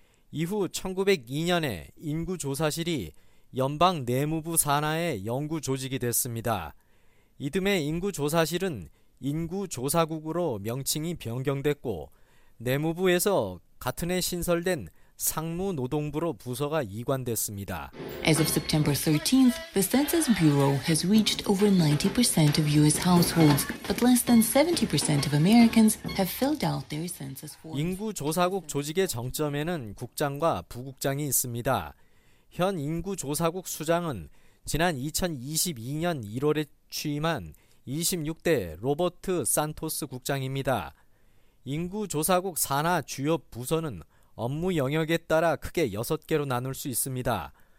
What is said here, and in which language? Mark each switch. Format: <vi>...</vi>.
<ko>이후 1902년에 인구조사실이 연방 내무부 산하의 연구조직이 됐습니다. 이듬해 인구조사실은 인구조사국으로 명칭이 변경됐고 내무부에서 같은 해 신설된 상무노동부로 부서가 이관됐습니다.</ko> <en>As of September 13th, the Census Bureau has reached over 90% of U.S. households, but less than 70% of Americans have filled out their census forms.</en> <ko>인구조사국 조직의 정점에는 국장과 부국장이 있습니다. 현 인구조사국 수장은 지난 2022년 1월에 취임한 26대 로버트 산토스 국장입니다. 인구조사국 산하 주요 부서는 업무 영역에 따라 크게 6개로 나눌 수 있습니다.</ko>